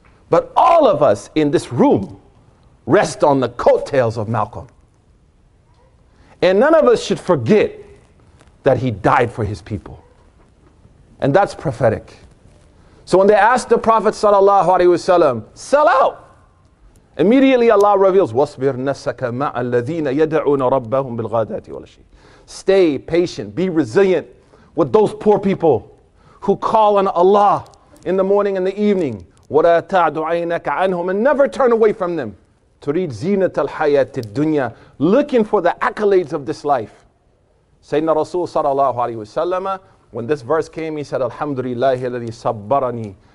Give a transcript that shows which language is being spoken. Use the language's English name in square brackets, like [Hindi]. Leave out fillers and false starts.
[English] But all of us in this room rest on the coattails of Malcolm. And none of us should forget that he died for his people. And that's prophetic. So when they asked the Prophet sallallahu alaihi wasallam, sell out. Immediately Allah reveals, [Arabic] وَاصْبِرْ نَفْسَكَ مَعَ الَّذِينَ يَدْعُونَ رَبَّهُمْ بِالْغَدَاةِ وَالْعَشِيِّ. [English] Stay patient, be resilient with those poor people who call on Allah in the morning and the evening. [Arabic] وَلَا تَعْدُ عَيْنَكَ عَنْهُمْ. [English] And never turn away from them. [Arabic] تُرِيدْ زِينَةَ الْحَيَاةِ الدُّنْيَا. [English] Looking for the accolades of this life. Sayyidina Rasul sallallahu alayhi wa sallam, when this verse came, he said, Alhamdulillahi alladhi sabbarani.